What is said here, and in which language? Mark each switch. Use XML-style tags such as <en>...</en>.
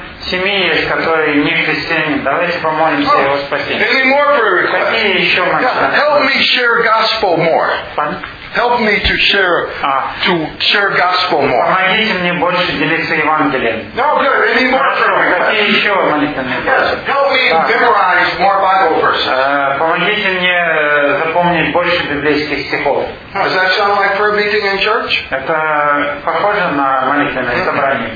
<ru>Семьи есть, которые не христиане. Давайте помолимся его спасению.</ru> <en>Any more prayer requests?</en> <ru>Какие еще молитвы?</ru> <en>Yeah, help me share gospel more. Pardon? Help me to share gospel more.</en> <ru>Помогите мне больше делиться Евангелием.</ru> <en>No good. Any more prayer requests?</en> <ru>Какие еще молитвенные?</ru> <en>Yes. Help me memorize more Bible verses.</en> <ru>Помогите мне запомнить больше библейских стихов.</ru> <en>Does that sound like prayer meeting in church?</en> <ru>Это похоже на молитвенное собрание.</ru>